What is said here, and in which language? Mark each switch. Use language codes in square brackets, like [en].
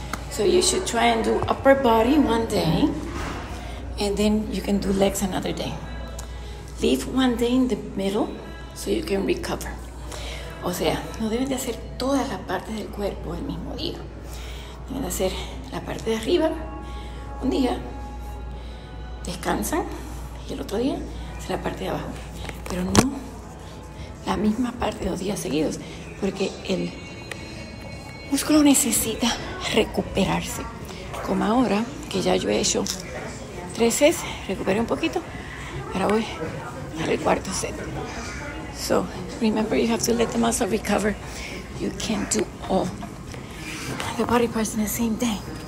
[en] So you should try and do upper body one day, and then you can do legs another day. Leave one day in the middle so you can recover. [es] O sea, no deben de hacer todas las partes del cuerpo el mismo día. Deben de hacer la parte de arriba un día, descansan, y el otro día es la parte de abajo. Pero no la misma parte dos días seguidos, porque el músculo necesita recuperarse. Como ahora, que ya yo he hecho tres sets, recuperé un poquito, ahora voy al cuarto set. [en] So, remember, you have to let the muscle recover. You can't do all the body parts in the same day.